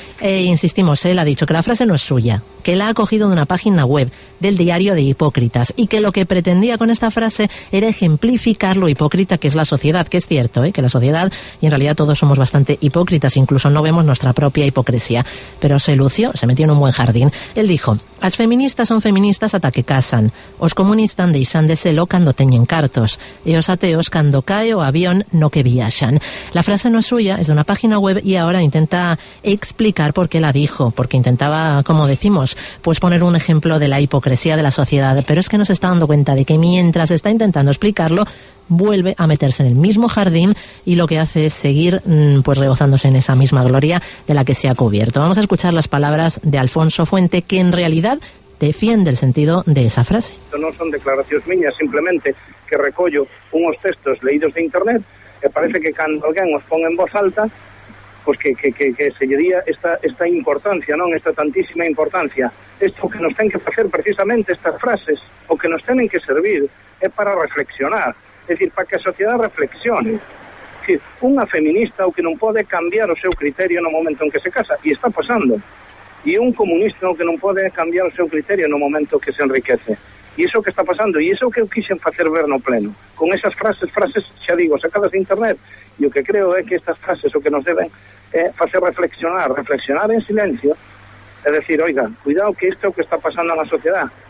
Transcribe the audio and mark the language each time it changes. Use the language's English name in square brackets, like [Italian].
[Spanish] E insistimos, él ha dicho que la frase no es suya, que la ha cogido de una página web del diario de hipócritas, y que lo que pretendía con esta frase era ejemplificar lo hipócrita que es la sociedad, que es cierto, que la sociedad, y en realidad todos somos bastante hipócritas, incluso no vemos nuestra propia hipocresía. Pero se lució, se metió en un buen jardín. Él dijo, [Galician] as feministas son feministas ata que casan, os comunistas deixan de selo cando teñen cartos, e os ateos cando cae o avión no que viaxan. [Spanish] La frase no es suya, es de una página web, y ahora intenta explicar por qué la dijo, porque intentaba, como decimos, pues poner un ejemplo de la hipocresía de la sociedad, pero es que no se está dando cuenta de que mientras está intentando explicarlo, vuelve a meterse en el mismo jardín y lo que hace es seguir pues rebozándose en esa misma gloria de la que se ha cubierto. Vamos a escuchar las palabras de Alfonso Fuente, que en realidad defiende el sentido de esa frase. No son declaraciones mías, simplemente que recollo unos textos leídos de internet, que parece que cuando alguien os ponga en voz alta, pues que se llevaría esta importancia, ¿no? Esta tantísima importancia. Esto que nos tienen que hacer precisamente estas frases, o que nos tienen que servir, es para reflexionar. [Galician] Es decir, para que a sociedade reflexione. Es decir, unha feminista o que non pode cambiar o seu criterio no momento en que se casa, e está pasando. E un comunista o que non pode cambiar o seu criterio no momento que se enriquece. E iso que está pasando, e iso que eu quixen facer ver no pleno. Con esas frases, xa digo, sacadas de internet, e o que creo é que estas frases o que nos deben facer reflexionar en silencio, é decir, oiga, cuidado que isto é o que está pasando na sociedade.